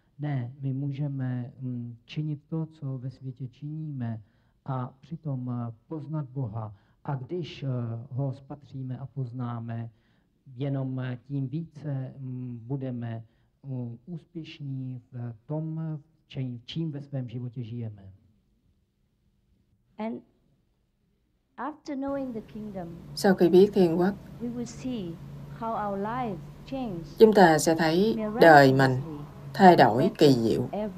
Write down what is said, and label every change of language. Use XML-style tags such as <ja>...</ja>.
<cs>Ne, my můžeme činit to, co ve světě činíme, a přitom poznat Boha. A když ho spatříme a poznáme, jenom tím více budeme úspěšní v tom, čím ve svém životě žijeme.</cs> <en>And after knowing the kingdom,</en> <vi>sau khi biết Thiên Quốc,</vi> <en>we will see how our lives change.</en> <vi>Chúng ta sẽ thấy đời mình thay đổi kỳ diệu.</vi>